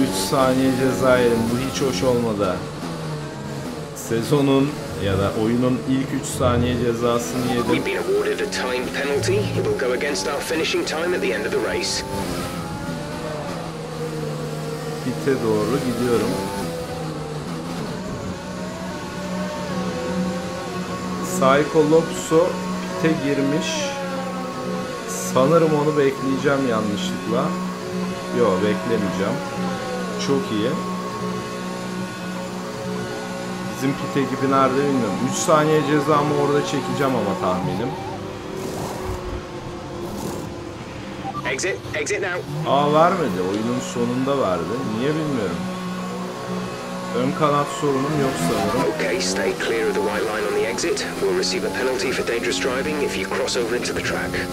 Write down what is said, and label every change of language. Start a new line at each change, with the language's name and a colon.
Turkish: Saniye ceza yerim. Bu hiç hoş olmadı. Sezonun ya da oyunun ilk 3 saniye cezasını yedim.
English: We've been awarded a time penalty. It will go against our finishing time at the end of the race.
Turkish: Bite doğru gidiyorum. Psycho Lopso pite girmiş. Sanırım onu bekleyeceğim yanlışlıkla. Yok, beklemeyeceğim. Çok iyi. Bizim pit ekibi nerede bilmiyorum. 3 saniye cezamı orada çekeceğim ama tahminim.
English: Exit now.
Turkish: Aa, vermedi. Oyunun sonunda verdi. Niye bilmiyorum. Ön kanat sorunum yok sanırım.
English: Okay, stay clear of the white line on the exit. We'll receive a penalty for dangerous driving if you cross over into the track.